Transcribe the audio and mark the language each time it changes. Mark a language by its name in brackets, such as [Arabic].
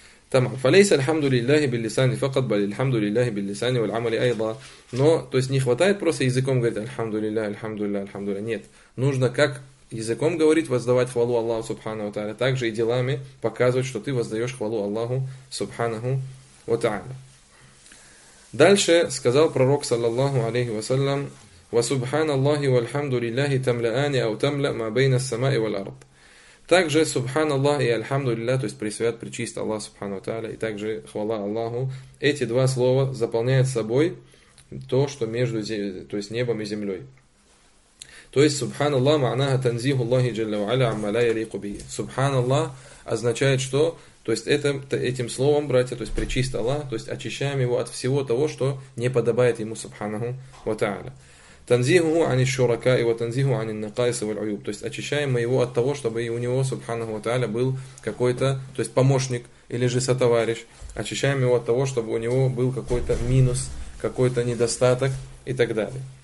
[Arabic] Тамам. فَلَيْسَ الْحَمْدُ لِلَّهِ بِاللِّسَانِ فَقَدْ بَلِ الْحَمْدُ لِلَّهِ بِاللِّسَانِ وَالْعَمَلِ أَيْضًا. [Russian] Но, то есть не хватает просто языком говорить «Альхамду лилля, альхамду лилля, альхамду лилля». Нет. Нужно как языком говорить, воздавать хвалу Аллаху Субханаху Та'аля, также и делами показывать, что ты воздаешь хвалу Аллаху Субханаху Та'аля. Дальше сказал пророк, [Arabic] саллаллаху алейхи вассалям, وَسُبْحَانَ اللَّهِ وَالْحَمْدُ لِلَّهِ تَمْلَآنِ أَوْ تَمْلَأْ مَا بَيْنَ السَّمَاءِ وَالْأَرْضِ. [Russian] Также Субхан Аллах и Альхамду Лилля, то есть Пресвят, Пречист Аллах Субханаху Та'аля, и также хвала Аллаху, эти два слова заполняют собой то, что между то есть небом и землей. То есть [Arabic] Субхан Аллах معناها تنزيه الله جل وعلا عما لا يليق به. [Russian] Субхан Аллах означает что? То есть этим словом, братья, то есть пречист Аллах, то есть очищаем его от всего того, что не подобает ему Субханаху ва тааля. [Arabic] تنزيهه عن الشركاء وتنزيه عن النقائص والعيوب. [Russian] То есть очищаем мы его от того, чтобы у него Субханаху ва тааля был какой-то, то есть помощник или же сотоварищ. Очищаем его от того, чтобы у него был какой-то минус, какой-то недостаток и так далее.